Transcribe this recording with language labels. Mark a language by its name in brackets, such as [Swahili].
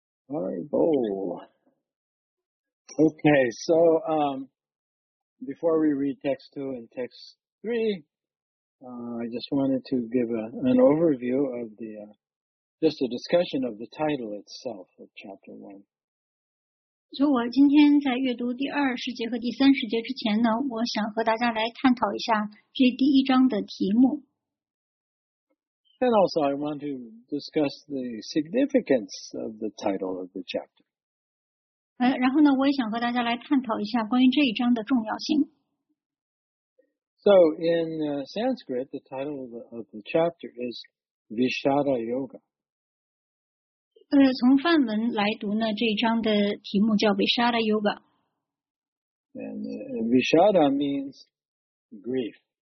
[English] Hari Bo Okay, so before we read text 2 and text 3, I just wanted to give an overview of the, just a discussion of the title itself of chapter 1. [Chinese] 所以我今天在阅读第二十节和第三十节之前呢，我想和大家来探讨一下这第一章的题目。 [English] And also, I want to discuss the significance of the title of the chapter. [Chinese] 然后呢，我也想和大家来探讨一下关于这一章的重要性。 [English] So, in Sanskrit, the title of the chapter is Vishada Yoga. [Chinese] 从梵文来读呢，这一章的题目叫 Vishada Yoga. [English] And Vishada means grief.